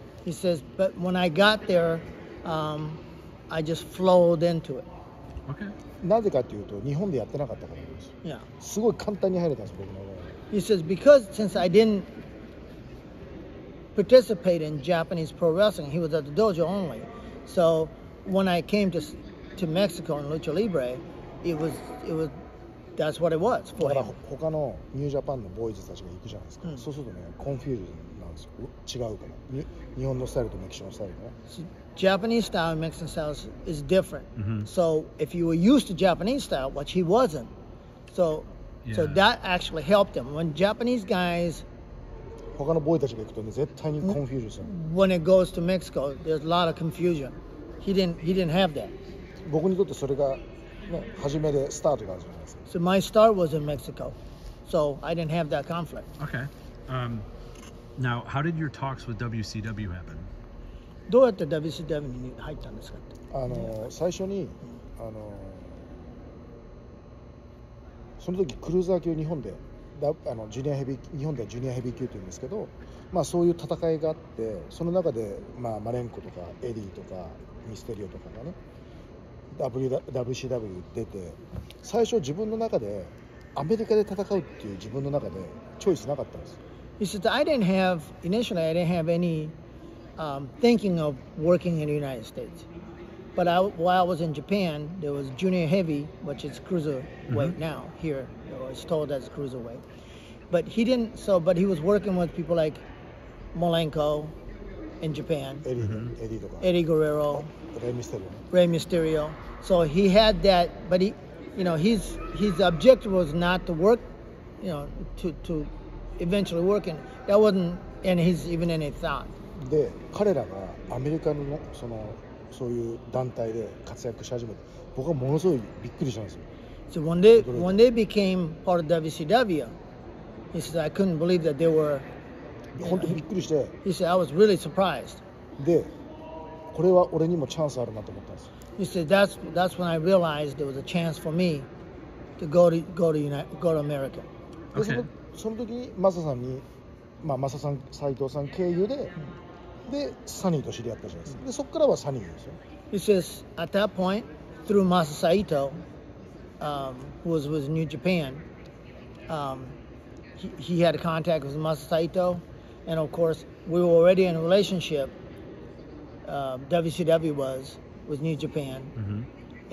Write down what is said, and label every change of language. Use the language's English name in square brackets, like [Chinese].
[English] He says, but when I got there, I just flowed into it. Okay. [Japanese] なぜかというと、日本でやってなかったからです。 [English] Yeah. [Japanese] すごい簡単に入れたんです、僕の場合。 [English] He says, because since I didn't participate in Japanese pro wrestling, he was at the dojo only. So when I came to Mexico in Lucha Libre, it was that's what it was for him. [Japanese] だから他のニュージャパンのボーイズたちが行くじゃないですか。 Mm. そうするとね、コンフュージョンなんですよ。違うから。日本のスタイルとメキシコのスタイルね。 [English] So, Japanese style and Mexican style is different. Mm-hmm. So if you were used to Japanese style, which he wasn't, so... Yeah. So that actually helped him. When Japanese guys, [Japanese] 他のボーイたちが行くとね、絶対にコンフュージョン。 [English] When it goes to Mexico, there's a lot of confusion. He didn't have that. [Japanese] 僕にとってそれがね、初めでスタートがあるじゃないですか。 [English] So my start was in Mexico. So I didn't have that conflict. Okay. Now, how did your talks with WCW happen? [Japanese] どうやって WCW に入ったんですか？最初に、その時クルーザー級日本でジュニアヘビー日本ではジュニアヘビー級って言うんですけど、まあそういう戦いがあって、その中でまあマレンコとかエディとかミステリオとかがね WCW 出て、最初自分の中でアメリカで戦うっていう自分の中でチョイスなかったんです。 [English] He said I didn't have initially I didn't have any thinking of working in the United States, but while I was in Japan, there was junior heavy, which is cruiserweight mm-hmm. now here, it's told as cruiserweight. But he didn't, but he was working with people like Malenko in Japan, Eddie Guerrero, Rey Mysterio. So he had that, but his objective was not to work, you know, to eventually work in, that wasn't in his even any thought. [Japanese] で、彼らがアメリカのそのそういう団体で活躍し始めて、僕はものすごいびっくりしたんですよ。 [English] So when they became part of WCW, he said I couldn't believe that they were. [Japanese] 本当にびっくりして。 [English] He said I was really surprised. [Japanese] で、これは俺にもチャンスあるなと思ったんですよ。 [English] He said that's when I realized there was a chance for me to go to America. [Japanese] で、okay. その時にマサさんに、まあマサさん斉藤さん経由で。でサニーと知り合ったじゃないですか。でそこからはサニーですよ。 [English] He says at that point through Masa Saito, who was with New Japan, he had a contact with Masa Saito, and of course we were already in a relationship. WCW was with New Japan, mm-hmm.